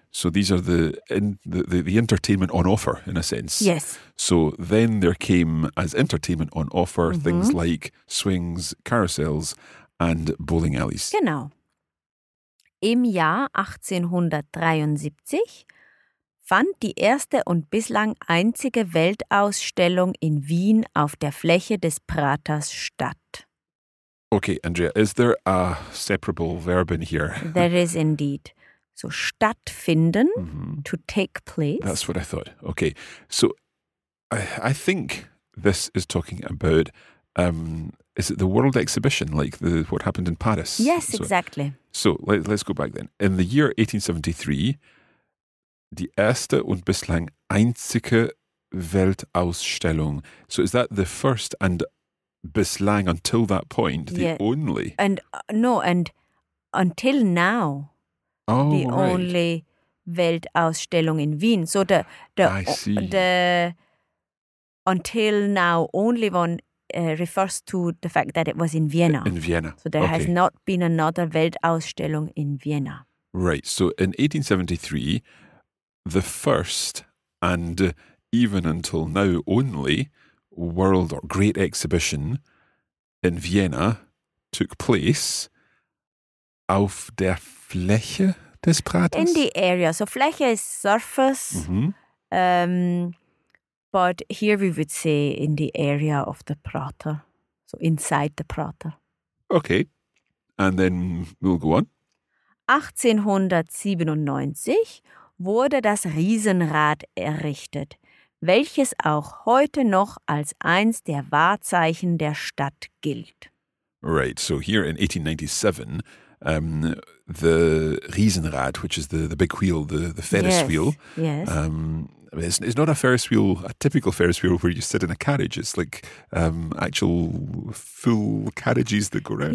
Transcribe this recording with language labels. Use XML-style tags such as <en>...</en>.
<en>So these are the entertainment on offer, in a sense. Yes. So then there came, as entertainment on offer, mm-hmm. things like swings, carousels and bowling alleys.</en> <de>Genau. Im Jahr 1873 fand die erste und bislang einzige Weltausstellung in Wien auf der Fläche des Praters statt.</de> <en>Okay, Andrea, is there a separable verb in here? There is indeed. So stattfinden, to take place. That's what I thought. Okay, so I think this is talking about, is it the World Exhibition, like the what happened in Paris? Yes, exactly. So let's go back then. In the year 1873,</en> <de>die erste und bislang einzige Weltausstellung.</de> <en>So is that the first and bislang until that point, the yeah. only? And no, and until now, oh, the right. only Weltausstellung in Wien. So the until now only one refers to the fact that it was in Vienna. In Vienna. So there has not been another Weltausstellung in Vienna. Right. So in 1873, the first and even until now only world or great exhibition in Vienna took place</en> <de>auf der Fläche des Praters?</de> <en>In the area. So Fläche is surface. Mm-hmm. But here we would say in the area of the Prater. So inside the Prater. Okay. And then we'll go on.</en> <de>1897 wurde das Riesenrad errichtet, welches auch heute noch als eins der Wahrzeichen der Stadt gilt.</de> <en>Right, so here in 1897, the Riesenrad, which is the big wheel, the Ferris yes, wheel. Yes. It's not a Ferris wheel, a typical Ferris wheel where you sit in a carriage. It's like actual full carriages that go around.</en>